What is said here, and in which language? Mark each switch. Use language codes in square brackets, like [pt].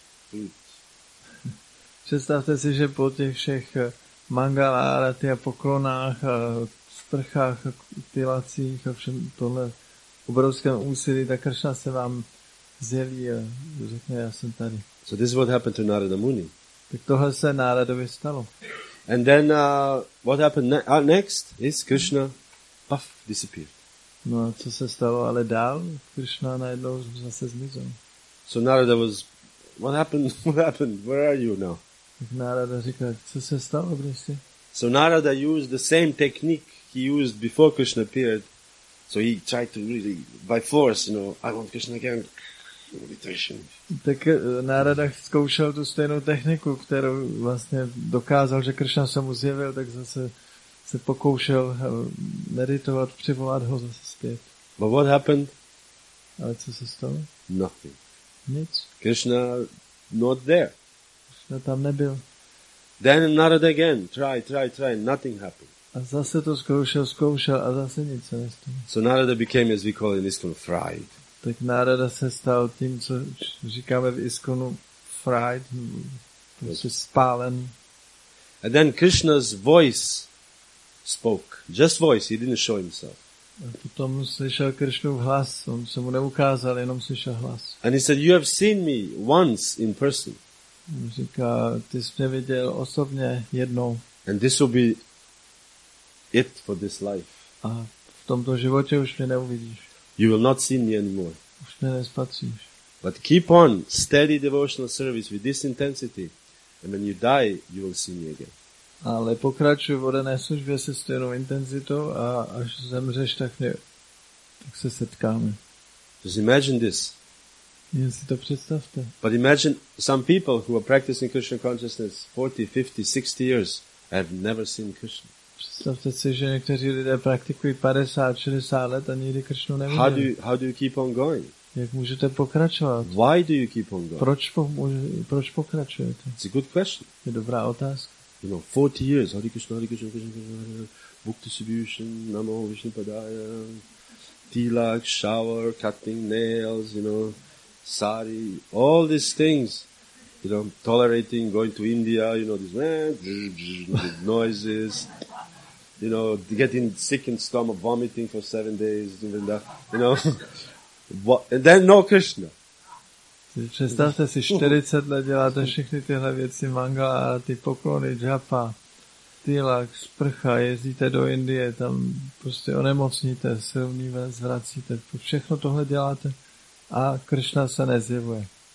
[cs] klid. Představte si, že po těch všech mangalárati a poklonách a sprchách a kutilacích a všem tohle obrovském úsilí, tak Kršna se vám zjeví a řekne, já jsem tady. [en] So this is what happened to Narada Muni. [cs] Tak tohle se Náradovi stalo. [en] And then what happened next is Krishna puff disappeared. [cs] No, co se stalo ale dál? Krishna najednou zase zmizel. [en] So Narada was, what happened? Where are you now? [cs] Narada říká, co se stalo, Brisi? [en] So Narada used the same technique he used before Krishna appeared. So he tried to really by force, you know, I want Krishna again. Meditation. [cs] Tak Narada zkoušel tu stejnou techniku, kterou vlastně dokázal, že Krishna se mu zjevil, tak zase se pokoušel meditovat, přivolat ho zase zpět. [en] But what happened? [cs] Ale co se stalo? [en] Nothing. [cs] Nic. [en] Krishna not there. [cs] Krishna tam nebyl. [en] Then Narada again, try, nothing happened. [cs] A zase to zkoušel a zase nic se nestalo. [en] So Narada became, as we call in Iskon, fried. [cs] Tak Narada se stal tím, co říkáme v Iskonu, fried, prostě spálen. [en] And then Krishna's voice spoke. Just voice, he didn't show himself. [cs] A potom slyšel Krishnův hlas, on se mu neukázal, jenom slyšel hlas. [en] And he said, you have seen me once in person. [cs] Říká, ty jsi mě viděl osobně jednou. [en] And this will be it for this life. [cs] A v tomto životě už mě neuvidíš. [en] You will not see me anymore. [cs] Už mě nespatříš. [en] But keep on steady devotional service with this intensity, and when you die, you will see me again. [cs] Ale pokračuj v odané službě se stejnou intenzitou a až zemřeš, tak se setkáme. [en] Just imagine this. [cs] Jen si to představte. [en] But imagine some people who are practicing Krishna consciousness 40, 50, 60 years have never seen Krishna. [cs] Představte si, že někteří lidé praktikují 50, 60 let a nikdy Krishnu neviděli. [en] How do you keep on going? [cs] Jak můžete pokračovat? [en] Why do you keep on going? [cs] Proč pokračujete? [en] It's a good question. [cs] Je dobrá otázka. [en] You know, 40 years, Hare Krishna, book distribution, Namo Vishnupadaya, tilak, shower, cutting nails, you know, sari, all these things. You know, tolerating going to India, you know, these noises, you know, getting sick in stomach, vomiting for 7 days, even that, you know. And then no Krishna. [cs] Představte si, 40 let děláte všechny tyhle věci, mangala, ty poklony, japa, tilak, sprcha, jezdíte do Indie, tam prostě onemocníte, silný vás vracíte, všechno tohle děláte a Krishna se nezjevuje.